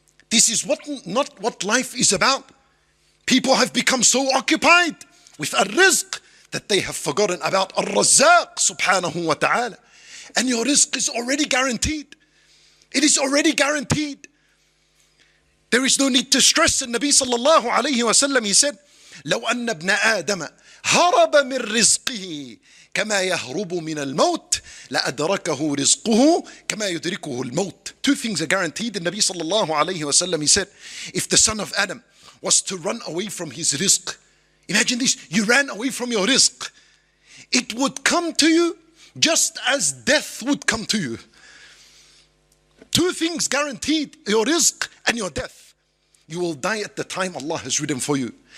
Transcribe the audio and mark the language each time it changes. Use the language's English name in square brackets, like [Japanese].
[English] This is what not what life is about. People have become so occupied with ar-rizq that they have forgotten about ar-razzaq subhanahu wa ta'ala. And your rizq is already guaranteed. It is already guaranteed. There is no need to stress. And Nabi sallallahu alayhi wa sallam, he said, [Arabic] لو أن ابن آدم هرب من رزقه كما يهرب من الموت لأدركه رزقه كما يدركه الموت. [English] Two things are guaranteed. The Nabi sallallahu alayhi wa sallam, he said, if the son of Adam was to run away from his rizq, imagine this, you ran away from your rizq, it would come to you just as death would come to you. Two things guaranteed, your rizq and your death. You will die at the time Allah has written for you.